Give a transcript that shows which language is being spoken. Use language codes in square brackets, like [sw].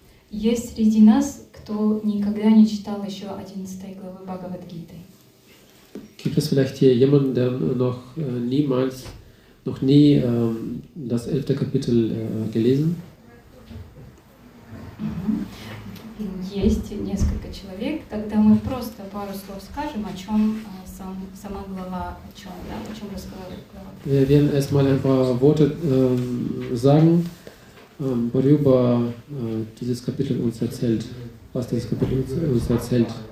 [ru] Есть среди нас, кто никогда не читал еще 11 главы Бхагавад-гиты? [de] Gibt es vielleicht hier jemanden, der noch nie das 11. Kapitel gelesen? [ru] Есть несколько человек. Тогда мы просто пару слов скажем, о чем сама глава, о чем рассказывает глава. [de] Wir werden erstmal ein paar Worte sagen. Worüber dieses Kapitel uns erzählt, was dieses Kapitel uns erzählt.